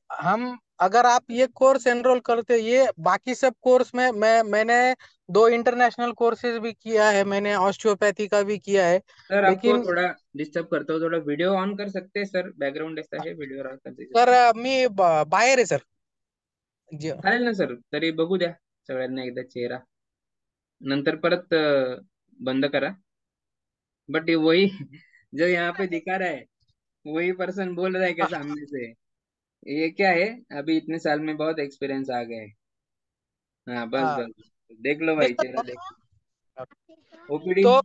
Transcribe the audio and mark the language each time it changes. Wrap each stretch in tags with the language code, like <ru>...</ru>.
<hi>हम अगर आप ये कोर्स एनरोल करते, ये बाकी सब कोर्स में मैंने दो इंटरनेशनल कोर्सेज भी किया है, मैंने ऑस्टियोपैथी का भी किया है, सर आपको लेकिन थोड़ा डिस्टर्ब करता हूँ, थोड़ा वीडियो ऑन कर सकते हैं सर? बैकग्राउंड ऐसा है, वीडियो ऑन कर दीजिए सर। सर मी बाहर है सर जी।</hi> <mr>चालेल ना सर, तरी बघू द्या सगळ्यांना एकदा चेहरा, नंतर परत बंद करा।</mr> <hi>बट वही जो यहाँ पे दिखा रहा है वही पर्सन बोल रहा है के सामने से, ये क्या है? अभी इतने साल में बहुत एक्सपीरियंस आ गए हैं। हाँ बस बस हाँ देख लो भाई, चेहरा देख लो। देखो, तो ओपीडी</hi>